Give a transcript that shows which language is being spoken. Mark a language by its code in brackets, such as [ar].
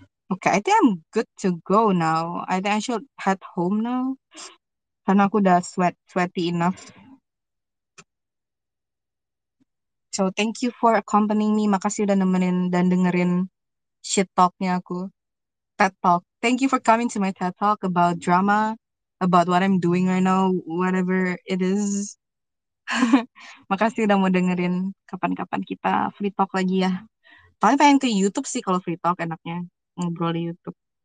[en] Okay, I think I'm good to go now. I think I should head home now. [id] Karena aku udah [en] sweaty enough. So thank you for accompanying me. [id] Makasih udah nemenin dan dengerin shit talknya aku. [en] TED talk. Thank you for coming to my TED talk about drama, about what I'm doing right now, whatever it is. [id] Makasih udah mau dengerin. Kapan-kapan kita free talk lagi ya. Tapi pengen ke YouTube sih kalau free talk enaknya ngobrol di YouTube.